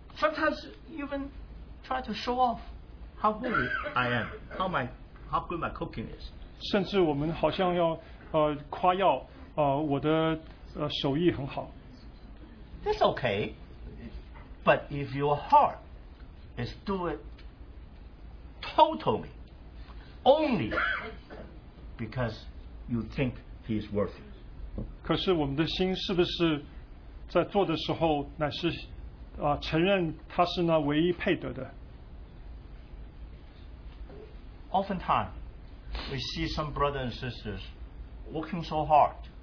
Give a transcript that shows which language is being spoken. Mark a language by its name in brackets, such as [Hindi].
[English] Sometimes even try to show off how good I am, how good my cooking is. [Chinese] 甚至我们好像要夸耀我的。手艺很好 [English] That's okay, but if your heart is do it totally, only because you think he is worthy. [Chinese] 可是我们的心是不是在做的时候乃是承认他是那唯一配得的？ [English] Oftentimes, we see some brothers and sisters working so hard.